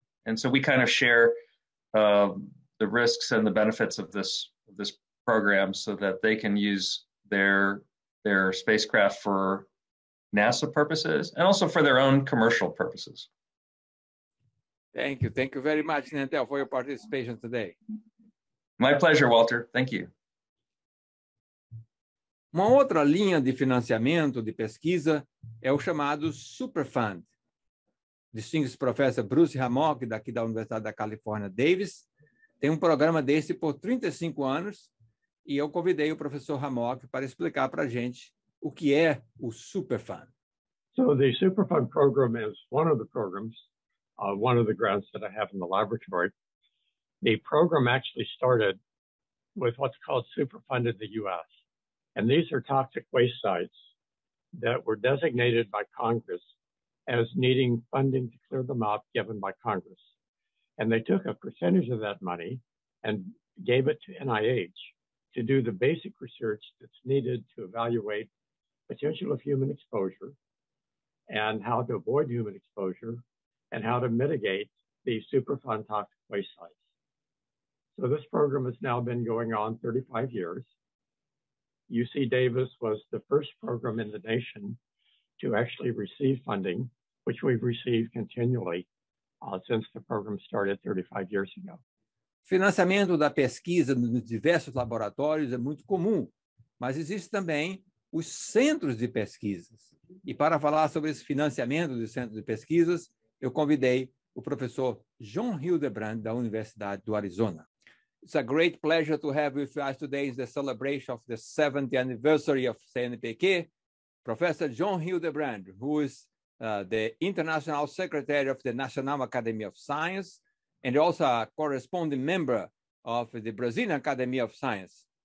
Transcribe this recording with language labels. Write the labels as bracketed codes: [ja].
[en] And so we kind of share the risks and the benefits of this program so that they can use their spacecraft for NASA purposes and also for their own commercial purposes. Thank you. Thank you very much, Nantel, for your participation today. My pleasure, Walter. Thank you. [pt] Uma outra linha de financiamento de pesquisa é o chamado Superfund. Distinguished Professor Bruce Hammock, daqui da Universidade da Califórnia, Davis, tem um programa desse por 35 anos, e eu convidei o professor Hammock para explicar para a gente o que é o Superfund. [en] So the Superfund program is one of the programs, one of the grants that I have in the laboratory. The program actually started with what's called Superfund in the U.S. And these are toxic waste sites that were designated by Congress as needing funding to clear them up given by Congress. And they took a percentage of that money and gave it to NIH to do the basic research that's needed to evaluate potential of human exposure and how to avoid human exposure and how to mitigate the Superfund toxic waste sites. So this program has now been going on 35 years. UC Davis was the first program in the nation to actually receive funding, which we've received continually since the program started 35 years ago. [pt] Financiamento da pesquisa nos diversos laboratórios é muito comum, mas existe também os centros de pesquisas. E para falar sobre esse financiamento dos centros de pesquisas, eu convidei o professor John Hildebrand, da Universidade do Arizona. [en] It's a great pleasure to have with us today in the celebration of the 70th anniversary of CNPq, Professor John Hildebrand, who is the International Secretary of the National Academy of Science and also a corresponding member of the Brazilian Academy of Science.